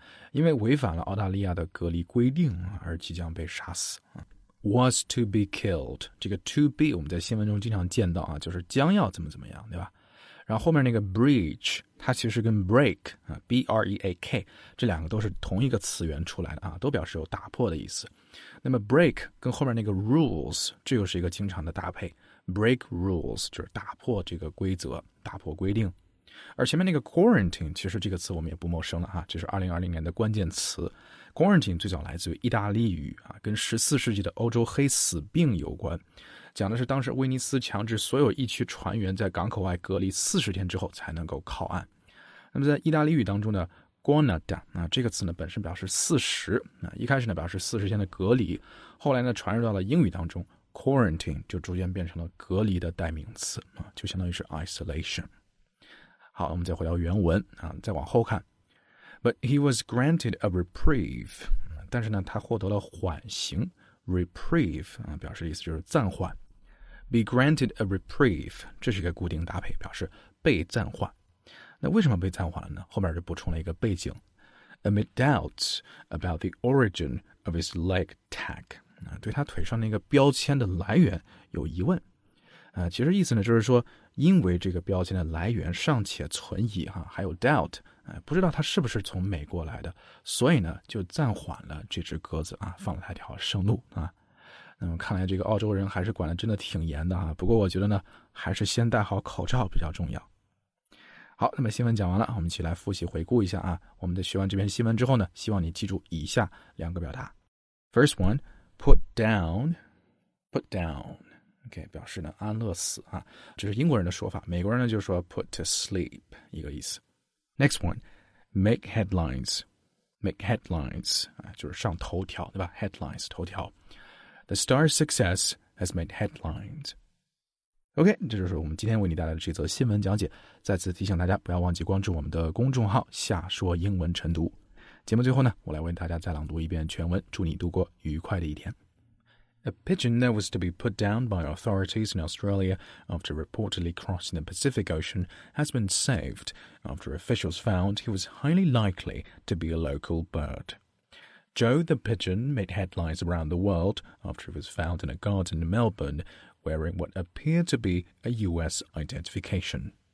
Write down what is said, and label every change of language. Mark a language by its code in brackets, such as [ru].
[zh] 因为违反了澳大利亚的隔离规定而即将被杀死。 [en] Was to be killed， [zh] 这个 to be 我们在新闻中经常见到啊，就是将要怎么怎么样，对吧？然后后面那个 breach， 它其实跟 break， B-R-E-A-K， 这两个都是同一个词源出来的啊，都表示有打破的意思。那么 break 跟后面那个 rules， 这又是一个经常的搭配。 [en] Break rules [zh] 就是打破这个规则，打破规定。而前面那个 quarantine 其实这个词我们也不陌生了啊，这是2020年的关键词。 quarantine 最早来自于意大利语啊，跟14世纪的欧洲黑死病有关，讲的是当时威尼斯强制所有疫区船员在港口外隔离40天之后才能够靠岸。那么在意大利语当中的 guanada 啊，这个词呢本身表示40啊，一开始呢表示40天的隔离，后来呢传入到了英语当中， quarantine 就逐渐变成了隔离的代名词啊，就相当于是 isolation。好，我们再回到原文啊，再往后看。 [en] But he was granted a reprieve， [zh] 但是呢，他获得了缓刑。 Reprieve 啊，表示意思就是暂缓。 [en] Be granted a reprieve， [zh] 这是一个固定搭配，表示被暂缓。那为什么被暂缓了呢？后面就补充了一个背景。 [en] Amid doubts about the origin of his leg tag， [zh] 啊，对他腿上那个标签的来源有疑问。其实意思呢，就是说。因为这个标签的来源尚且存疑哈，还有 doubt， 不知道它是不是从美国来的，所以呢就暂缓了这只鸽子啊，放了它一条生路啊。那么看来这个澳洲人还是管得真的挺严的啊，不过我觉得呢还是先戴好口罩比较重要。好，那么新闻讲完了，我们一起来复习回顾一下啊。我们在学完这篇新闻之后呢，希望你记住以下两个表达。 [en] First one, put down. [zh] Okay, 表示呢安乐死啊，这是英国人的说法，美国人呢就说 [en] put to sleep [zh] 一个意思。 [en] Next one, make headlines [zh] 啊，就是上头条，对吧？Headlines 头条。 [en] The star's success has made headlines. [zh] Okay, 这就是我们今天为你带来的这则新闻讲解。再次提醒大家，不要忘记关注我们的公众号“下说英文晨读”。节目最后呢，我来为大家再朗读一遍全文，祝你度过愉快的一天。 [en] A pigeon that was to be put down by authorities in Australia after reportedly crossing the Pacific Ocean has been saved after officials found he was highly likely to be a local bird. Joe the pigeon made headlines around the world after he was found in a garden in Melbourne wearing what appeared to be a US identification.